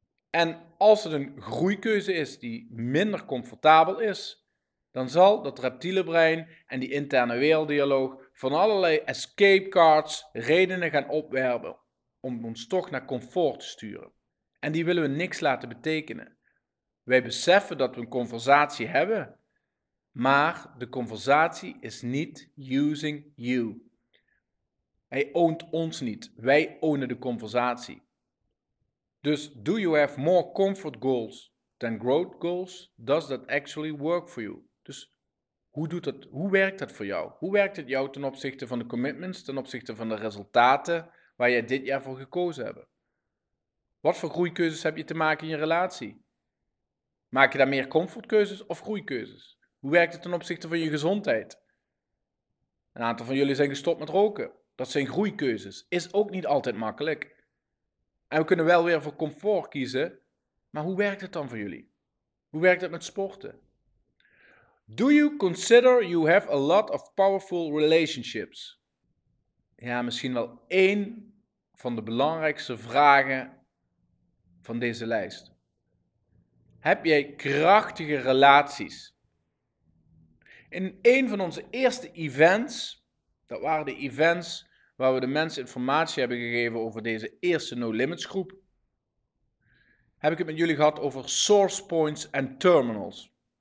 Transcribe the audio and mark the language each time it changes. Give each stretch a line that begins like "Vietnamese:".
Dutch: En als het een groeikeuze is die minder comfortabel is, dan zal dat reptiele brein en die interne werelddialoog van allerlei escape cards redenen gaan opwerpen om ons toch naar comfort te sturen. En die willen we niks laten betekenen. Wij beseffen dat we een conversatie hebben, maar de conversatie is niet
English: using you.
Dutch: Hij oont ons niet, wij ownen de conversatie. Dus
English: do you have more comfort goals than growth goals? Does that actually work for you?
Dutch: Dus hoe werkt dat voor jou? Hoe werkt het jou ten opzichte van de commitments, ten opzichte van de resultaten waar jij dit jaar voor gekozen hebt? Wat voor groeikeuzes heb je te maken in je relatie? Maak je daar meer comfortkeuzes of groeikeuzes? Hoe werkt het ten opzichte van je gezondheid? Een aantal van jullie zijn gestopt met roken. Dat zijn groeikeuzes. Is ook niet altijd makkelijk. En we kunnen wel weer voor comfort kiezen, maar hoe werkt het dan voor jullie? Hoe werkt het met sporten?
English: Do you consider you have a lot of powerful relationships?
Dutch: Ja, misschien wel één van de belangrijkste vragen van deze lijst. Heb jij krachtige relaties? In één van onze eerste events, dat waren de events waar we de mensen informatie hebben gegeven over deze eerste No Limits groep, heb ik het met jullie gehad over source points en terminals.